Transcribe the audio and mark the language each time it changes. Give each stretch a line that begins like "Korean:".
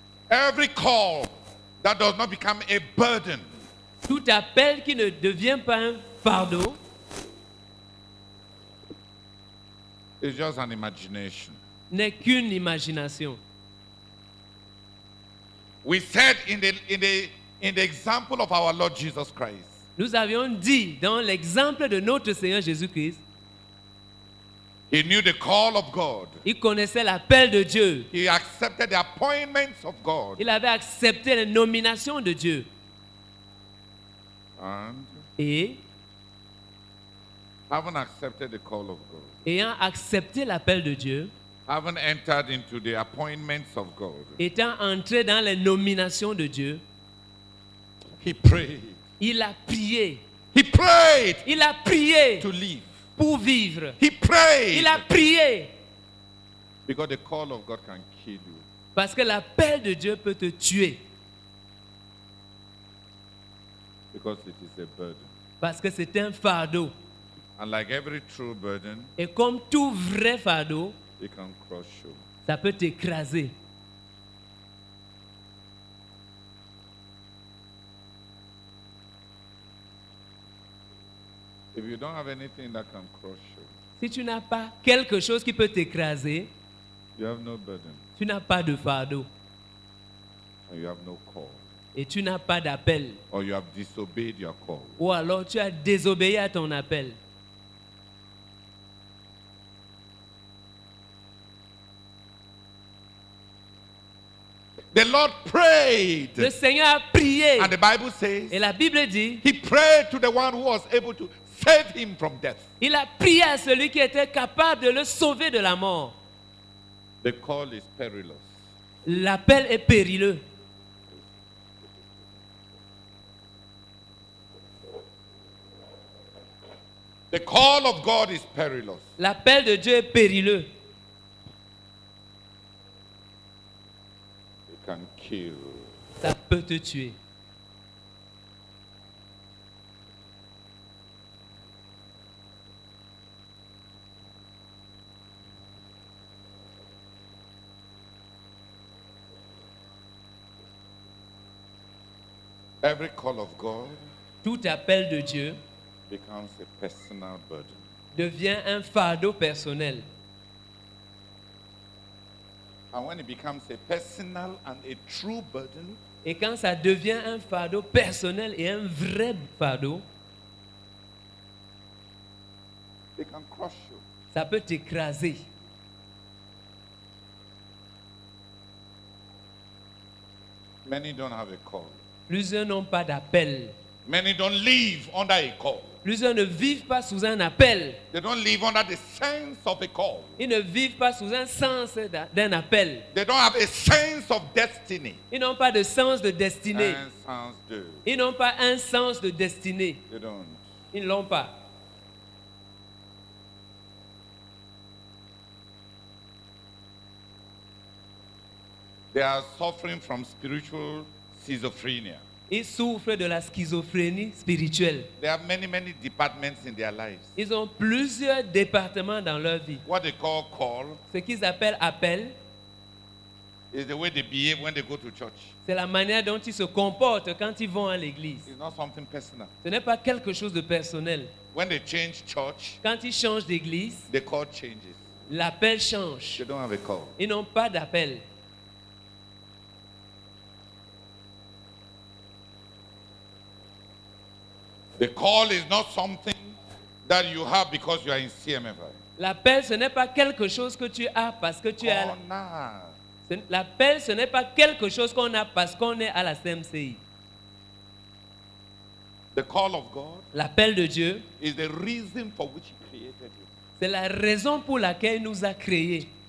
English: Every call that does not become a burden.
French: Tout appel qui ne devient pas un fardeau.
English: It's just an imagination.
French: N'est qu'une imagination.
English: We said in the example of our Lord Jesus Christ.
French: Nous avions dit dans l'exemple de notre Seigneur Jésus-Christ.
English: He knew the call of God.
French: Il connaissait l'appel de Dieu.
English: He accepted the appointments of God.
French: Il avait accepté les nominations de Dieu.
English: And
French: et
English: having accepted the call of God.
French: Ayant accepté l'appel de Dieu.
English: Having entered into the appointments of God.
French: Étant entré dans les nominations de Dieu.
English: He prayed.
French: Il a prié.
English: He prayed.
French: Il a prié.
English: To live.
French: Pour vivre.
English: He prayed.
French: Il a prié.
English: Because the call of God can kill you.
French: Parce que l'appel de Dieu peut te tuer.
English: Because it is a burden.
French: Parce que c'est un fardeau.
English: And like every true burden.
French: Et comme tout vrai fardeau.
English: It can crush you.
French: Ça peut t'écraser.
English: If you don't have anything that can crush you,
French: si tu n'as pas quelque chose qui peut t'écraser,
English: you have no burden.
French: Tu n'as pas de fardeau.
English: And you have no call.
French: Et tu n'as pas d'appel.
English: Or you have disobeyed your call.
French: Ou alors tu as désobéi à ton appel.
English: The Lord prayed.
French: Le Seigneur a prié.
English: And the Bible says,
French: et la Bible dit,
English: he prayed to the one who was able to save him from death.
French: Il a prié à celui qui était capable de le sauver de la mort.
English: The call is perilous.
French: L'appel est périlleux.
English: The call of God is perilous.
French: L'appel de Dieu est périlleux.
English: It can kill.
French: Ça peut te tuer.
English: Every call of God,
French: tout appel de Dieu
English: becomes a personal burden.
French: Devient un fardeau personnel.
English: And when it becomes a personal and a true burden,
French: et quand ça devient un fardeau personnel et un vrai fardeau,
English: it can crush you.
French: Ça peut t'écraser.
English: Many don't have a call.
French: Plusieurs n'ont pas d'appel.
English: Many don't live under a call.
French: Plusieurs ne vivent pas sous un appel.
English: They don't live under the sense of a call.
French: Ils ne vivent pas sous un sens d'un appel.
English: They don't have a sense of destiny.
French: Ils n'ont pas de sens de destinée. Un sens de... Ils n'ont pas un sens de destinée.
English: They don't.
French: Ils ne l'ont pas.
English: They are suffering from spiritual schizophrenia.
French: Ils souffrent de la schizophrénie spirituelle.
English: They have many, many departments in their lives.
French: Ils ont plusieurs départements dans leur vie.
English: What they call,
French: ce qu'ils appellent appel,
English: is the way they behave when they go to church.
French: C'est la manière dont ils se comportent quand ils vont à l'église.
English: It's not something personal.
French: Ce n'est pas quelque chose de personnel.
English: When they change church,
French: quand ils changent d'église,
English: the call changes.
French: L'appel change.
English: They don't have a call.
French: Ils n'ont pas d'appel.
English: The call is not something that you have because you are in CMFI.
French: L'appel ce n'est pas quelque chose que tu as parce que tu es. On a. L'appel ce n'est pas quelque chose qu'on a parce qu'on est à la CMCI.
English: The call of God.
French: L'appel de Dieu.
English: Is the reason for which He created you.
French: C'est la raison pour laquelle il nous a créés.